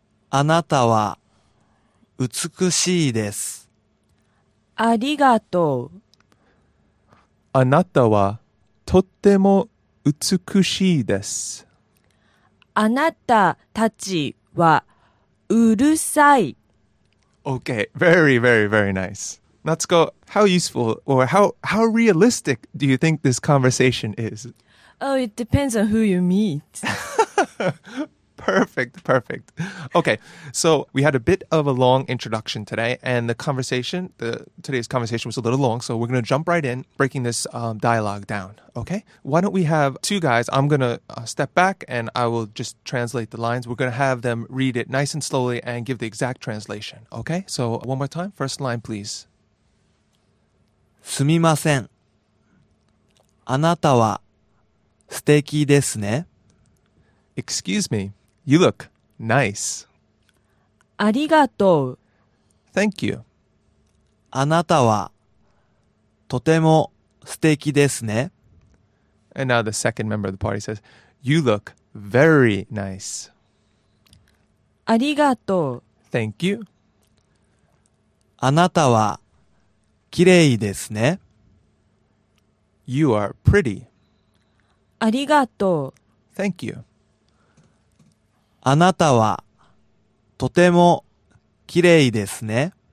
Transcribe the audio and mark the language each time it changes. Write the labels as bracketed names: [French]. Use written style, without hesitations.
[Japanese] あなたは美しいです。ありがとう。あなたはとっても美しいです。あなたたちはうるさい。 [English] Okay, very, very, very nice. Natsuko, how useful or how realistic do you think this conversation is? Oh, it depends on who you meet. Perfect, perfect. Okay, so we had a bit of a long introduction today, and the conversation, today's conversation was a little long, so we're going to jump right in, breaking this dialogue down, okay? Why don't we have two guys, I'm going to step back, and I will just translate the lines. We're going to have them read it nice and slowly and give the exact translation, okay? So one more time, first line, please. [Japanese] すみません。あなたは素敵ですね。 [English] Excuse me. You look nice. [Japanese] ありがとう。 [English] Thank you. [Japanese] あなたはとても素敵ですね。 [English] And now the second member of the party says, You look very nice. [Japanese] ありがとう。 [English] Thank you. [Japanese] あなたはきれいですね。 [English] You are pretty. [Japanese] ありがとう。 [English] Thank you. [Japanese] あなたはとてもきれいですね。